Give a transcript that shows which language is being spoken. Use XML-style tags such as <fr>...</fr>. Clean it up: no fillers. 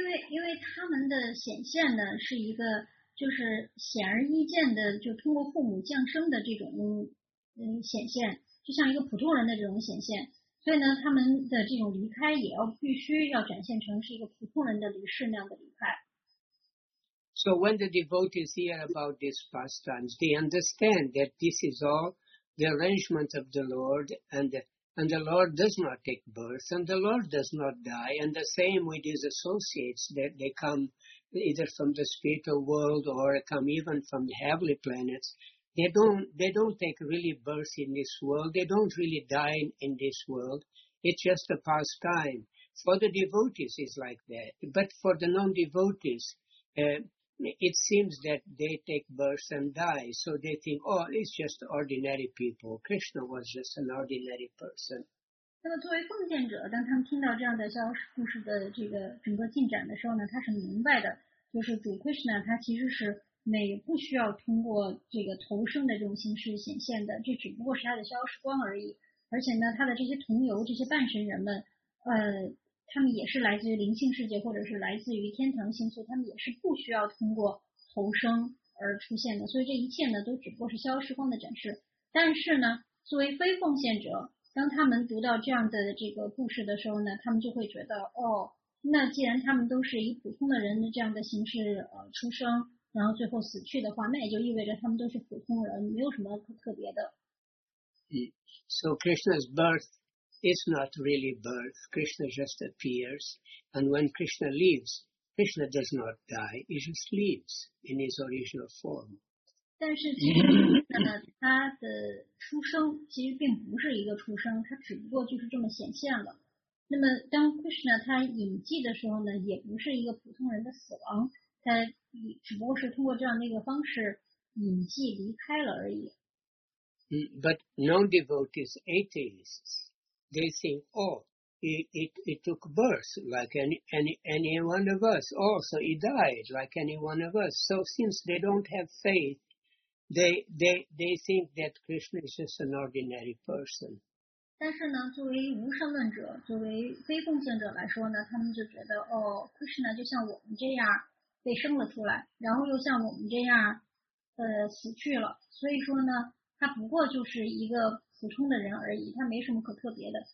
<zh>因为他们的显现呢，是一个就是显而易见的，就通过父母降生的这种显现，就像一个普通人的这种显现。所以呢，他们的这种离开也要必须要展现成是一个普通人的离世那样的离开。</zh> <en>So when the devotees hear about these pastimes, they understand that this is all the arrangement of the Lord, and the Lord does not take birth, and the Lord does not die, and the same with his associates, that they come either from the spiritual world or come even from the heavenly planets. They don't take really birth in this world. They don't really die in this world. It's just a pastime. For the devotees, it's like that. But for the non-devotees, it seems that they take birth and die. So they think, oh, it's just ordinary people. Krishna was just an ordinary person.</en> <zh>那么作为奉献者，当他们听到这样的消失故事的这个整个进展的时候呢，他是明白的，就是主 Krishna 他其实是没不需要通过这个投生的这种形式显现的，这只不过是他的消失光而已。而且呢，他的这些同游这些半神人们，他们也是来自于灵性世界，或者是来自于天堂星宿，他们也是不需要通过投生而出现的。所以这一切呢，都只不过是消失光的展示。但是呢，作为非奉献者，当他们读到这样的这个故事的时候呢，他们就会觉得，哦，那既然他们都是以普通的人的这样的形式出生，然后最后死去的话，那也就意味着他们都是普通人，没有什么特别的。</zh> <en>So Krishna's birth is not really birth. Krishna just appears, and when Krishna leaves, Krishna does not die. He just leaves in his original form.</en> <zh>但是其实呢，他的出生其实并不是一个出生，他只不过就是这么显现了。那么当 Krishna 他隐寂的时候呢，也不是一个普通人的死亡，他只不过是通过这样的一个方式隐寂离开了而已。</zh> <en>But non-devotees, atheists, they think, oh, it took birth like any one of us. Also, it died like any one of us. So since they don't have faith, they think that Krishna is just an ordinary person.</en> <zh>但是呢，作为无神论者，作为非奉献者来说呢，他们就觉得哦 ，Krishna 就像我们这样被生了出来，然后又像我们这样，死去了。所以说呢，他不过就是一个普通的人而已，他没什么可特别的。</zh>